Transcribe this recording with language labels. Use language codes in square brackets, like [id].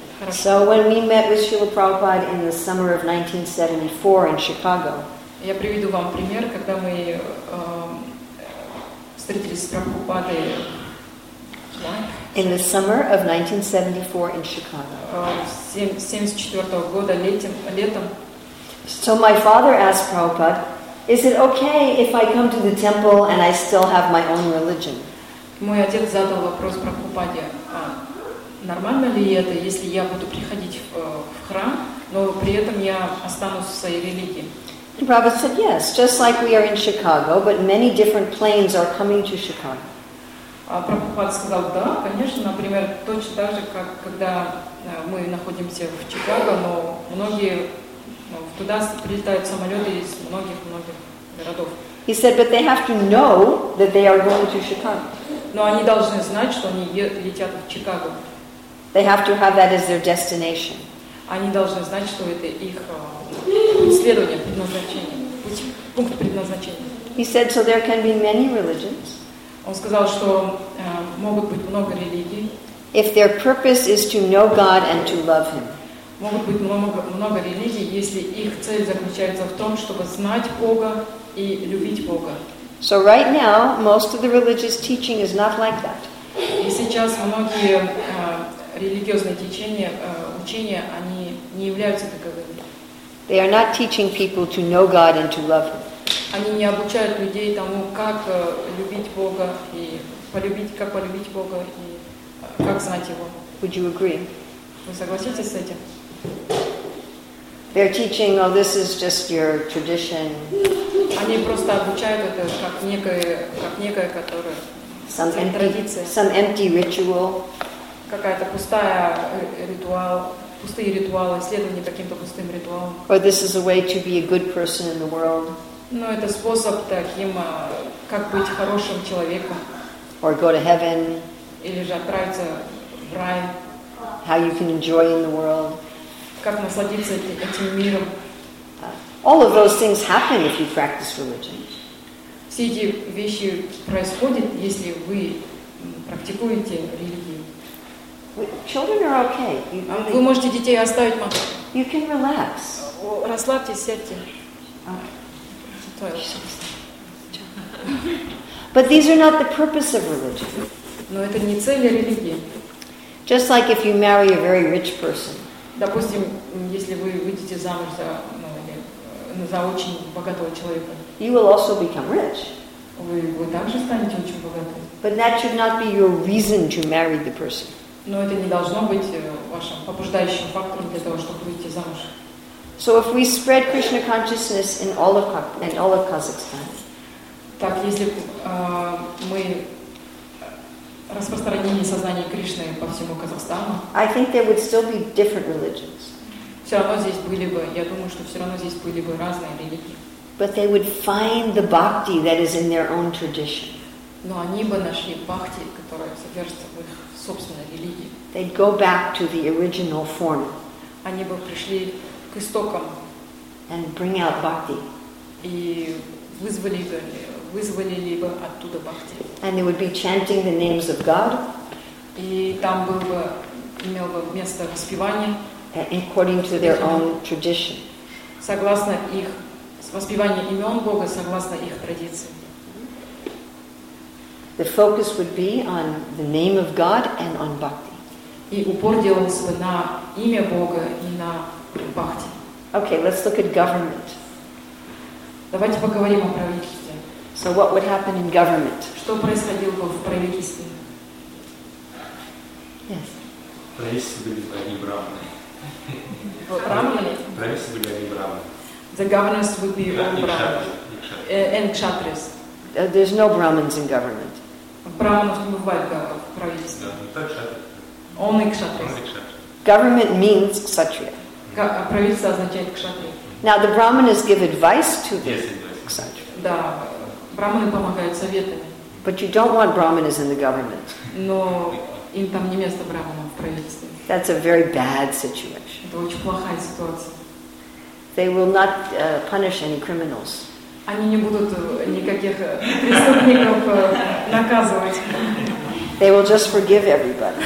[en] So when we met with Srila Prabhupada in the summer of 1974 in Chicago. [ru] Я приведу вам пример, когда мы встретились с Прабхупадой. [en] In the summer of 1974 in Chicago. [ru] 74 года летом. [en] So my father asked Prabhupada, "Is it okay if I come to the temple and I still have my own religion?" [ru] Мой отец задал вопрос Прабхупаде. Нормально ли это, если я буду приходить в храм, но при этом я останусь в своей религии? [en] And Prabhupada said, yes, just like we are in Chicago, but many different planes are coming to Chicago. [ru] Прабхупада сказал, да, конечно, например, точно так же, как когда мы находимся в Чикаго, но многие туда прилетают самолеты из многих-многих городов. [en] He said, but they have to know that they are going to Chicago. [ru] Но они должны знать, что они летят в Чикаго. [en] They have to have that as their destination. [ru] Они должны знать, что это их исследование, предназначение, пункт предназначения. [en] He said, so there can be many religions. [ru] Он сказал, что могут быть много религий. [en] If their purpose is to know God and to love Him. [ru] Могут быть много религий, если их цель заключается в том, чтобы знать Бога и любить Бога. [en] So right now, most of the religious teaching is not like that. [ru] И сейчас многие религиозные течения, учения, они не являются таковыми. [en] They are not teaching people to know God and to love Him. [ru] Они не обучают людей тому, как любить Бога и полюбить, как полюбить Бога и как знать Его. [en] Would you agree? [ru] Вы согласитесь с этим? [en] They're teaching, oh, this is just your tradition. [ru] Они просто обучают это как некое, которое. [en] Some empty ritual. [ru] Какая-то пустая ритуал, пустые ритуалы, исследование каким-то пустым ритуалом. [en] Or this is a way to be a good person in the world. [ru] Ну, это способ таким, как быть хорошим человеком. [en] Or go to heaven. [ru] Или же отправиться в рай. [en] How you can enjoy in the world. [ru] Как насладиться этим миром. [en] All of those things happen if you practice religion. [ru] Все эти вещи происходят, если вы практикуете религию. [en] Children are okay. [ru] Вы можете детей оставить, мать. [en] You can relax. [ru] Расслабьтесь, сядьте. [en] But these are not the purpose of religion. [ru] Но это не цель религии. [en] Just like if you marry a very rich person. [ru] Допустим, если вы выйдете замуж за, ну, за очень богатого человека. [en] You will also become rich. [ru] Вы также станете очень богатым. [en] But that should not be your reason to marry the person. [ru] Но это не должно быть вашим побуждающим фактором для того, чтобы выйти замуж. [en] So if we spread Krishna consciousness in all of Kazakhstan. [ru] Так, если мы распространили сознание Кришны по всему Казахстану. [en] I think there would still be different religions. [ru] Все равно здесь были бы, я думаю, что все равно здесь были бы разные религии. [en] But they would find the bhakti that is in their own tradition. [ru] Но они бы нашли бхакти, которая содержится в их собственной религии. [en] They'd go back to the original form. [ru] Они бы пришли к истокам. [en] And bring out bhakti. [ru] И вызвали бы оттуда бхакти. [en] And they would be chanting the names of God. [ru] И там был бы, имел бы место воспевание. [en] According to their own tradition. [ru] Согласно их воспевание имен Бога согласно их традициям. [en] The focus would be on the name of God and on bhakti. [ru] И упор делался бы на имя Бога и на бхакти. [en] Okay, let's look at government. [ru] Давайте поговорим о правительстве. [en] So what would happen in government? [ru] Что происходило бы в правительстве? [en] Yes. [ru] Правительство были одни брахманы. Брахманы? Правительство были одни брахманы. [en] The governors would be all Brahmins. And Kshatriyas. There's no Brahmins in government. Brahmins don't have a government. Only Kshatriyas. Government means Kshatriya. [ru] Правительство означает Kshatriya. [en] Now the Brahmins give advice to the Kshatriya. [ru] Да, Брахманы помогают советами. [en] But you don't want Brahmins in the government. [ru] Но им там не место Брахманам в правительстве. [en] That's a very bad situation. [ru] Это очень плохая ситуация. [en] They will not punish any criminals. [ru] Они не будут никаких преступников наказывать. [en] They will just forgive everybody.